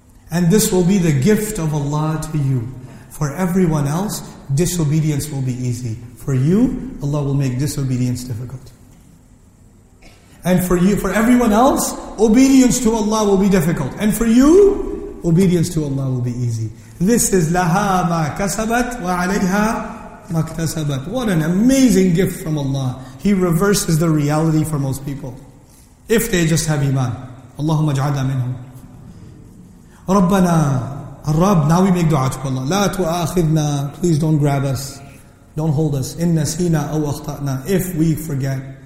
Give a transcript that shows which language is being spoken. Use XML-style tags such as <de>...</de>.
<en>And this will be the gift of Allah to you. For everyone else, disobedience will be easy. For you, Allah will make disobedience difficult. And for you, for everyone else, obedience to Allah will be difficult. And for you, obedience to Allah will be easy.</en> <ar>This is لَهَا مَا كَسَبَتْ وَعَلَيْهَا مَا اكْتَسَبَتْ.</ar> <en>What an amazing gift from Allah. He reverses the reality for most people. If they just have iman. اللهم اجعلنا منهم. ربنا الرب. Now we make dua to Allah. لا تؤاخذنا. Please don't grab us. Don't hold us.</en> <ar>إِن نَسِينَا أَوْ أَخْطَأْنَا. If we forget.</ar>